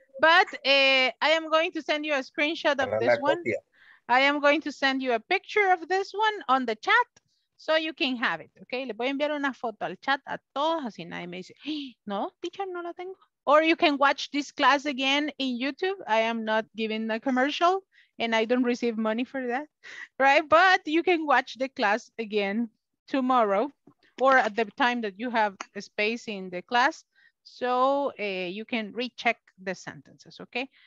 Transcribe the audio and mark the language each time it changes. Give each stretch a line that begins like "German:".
English: But I am going to send you a screenshot of this one. I am going to send you a picture of this one on the chat. So you can have it, okay?
Spanish: Le voy a enviar una foto al chat a todos, así nadie me dice, no, teacher, no la tengo.
English: Or you can watch this class again in YouTube. I am not giving a commercial and I don't receive money for that, right? But you can watch the class again tomorrow or at the time that you have a space in the class. So you can recheck the sentences, okay?